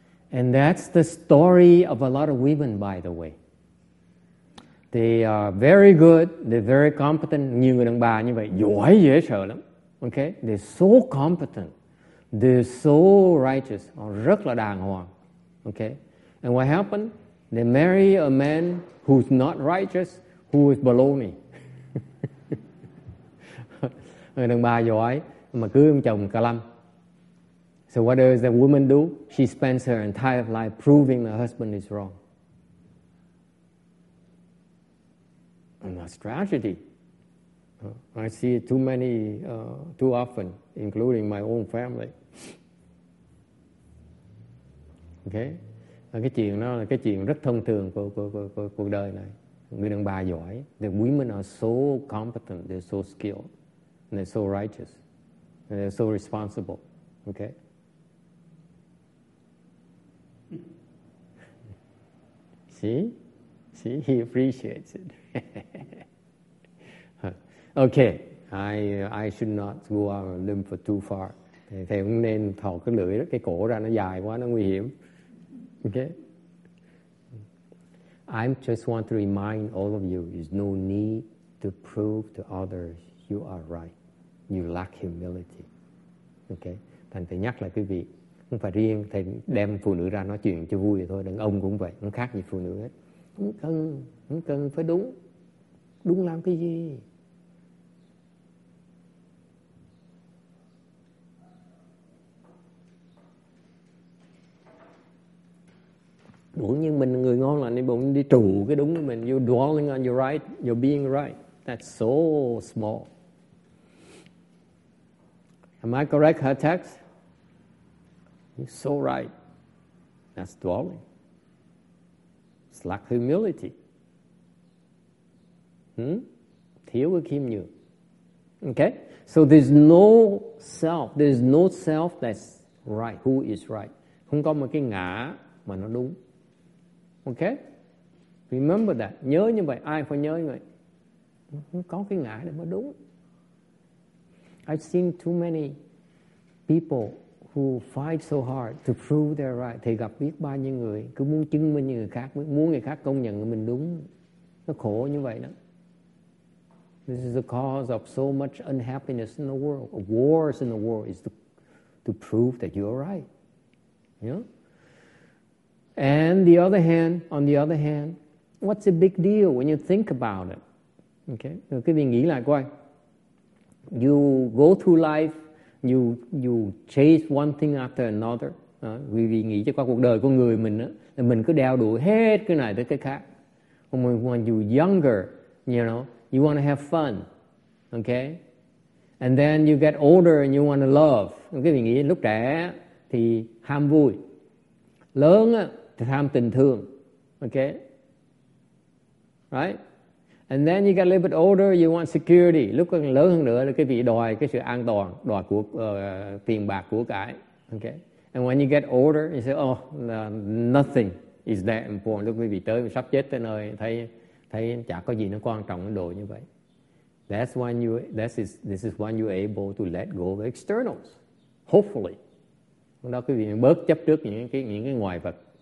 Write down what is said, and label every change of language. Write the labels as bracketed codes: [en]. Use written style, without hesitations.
[en] And that's the story of a lot of women, by the way. They are very good, they're very competent. [vi] Nhiều người đàn bà như vậy, giỏi dễ sợ lắm. [en] Okay? They're so competent. They're so righteous. [vi] Họ rất là đàng hoàng. Okay? [en] And what happened? They marry a man who's not righteous, who is baloney. [vi] Người đàn bà giỏi mà cưới ông chồng cà lăm. [en] So what does the woman do? She spends her entire life proving her husband is wrong. And that's tragedy. I see it too often, including my own family. Okay? [vi] Cái chuyện đó là cái chuyện rất thông thường của cuộc đời này. Người đàn bà giỏi. [en] The women are so competent, they're so skilled, and they're so righteous, and they're so responsible. Okay? See, he appreciates it. Okay, I should not go out on a limb for too far. [vi] Thầy cũng nên thò cái lưỡi, cái cổ ra nó dài quá, nó nguy hiểm. [en] Okay? I just want to remind all of you, there's no need to prove to others you are right. You lack humility. Okay? [vi] Thành thầy nhắc lại quý vị. Không phải riêng thầy đem phụ nữ ra nói chuyện cho vui vậy thôi, đàn ông cũng vậy, không khác gì phụ nữ hết. Không cần phải đúng. Đúng làm cái gì? Đúng như mình người ngon là nên bụng đi trụ cái đúng của mình. [en] You're dwelling on your right, your being right. That's so small. Am I correct, her text? You're so right. That's dwelling. It's lack humility. [vi] Thiếu cái khiêm nhường. [en] Okay? So there's no self. There's no self that's right. Who is right? [vi] Không có một cái ngã mà nó đúng. Okay? [en] Remember that. [vi] Nhớ như vậy. Ai phải nhớ như vậy. Không có cái ngã để mà đúng. [en] I've seen too many people who fight so hard to prove they're right. [vi] Thì gặp biết bao nhiêu người cứ muốn chứng minh người khác, muốn người khác công nhận mình đúng. Nó khổ như vậy đó. [en] This is the cause of so much unhappiness in the world. Wars in the world is to prove that you're right. You know? And on the other hand, what's a big deal when you think about it? Okay? [vi] Rồi quý vị nghĩ lại coi. [en] You go through life, you chase one thing after another. [vi] Quý vị nghĩ cho qua cuộc đời con người mình đó, là mình cứ đeo đuổi hết cái này tới cái khác. [en] When you're younger, you know, you want to have fun, okay? And then you get older and you want to love. [vi] Quý vị nghĩ lúc trẻ thì ham vui, lớn thì ham tình thương, okay? [en] Right? And then you get a little bit older, you want security. [vi] Lúc còn lớn hơn nữa là cái vị đòi cái sự an toàn, đòi của tiền bạc của cải. [en] Okay? And when you get older, you say, oh, nothing is that important. [vi] Lúc quý vị tới, mình sắp chết tới nơi, thấy chả có gì nó quan trọng đến độ như vậy. [en] This is when you're able to let go of externals. Hopefully. [vi] Lúc đó quý vị bớt chấp trước những cái ngoài vật.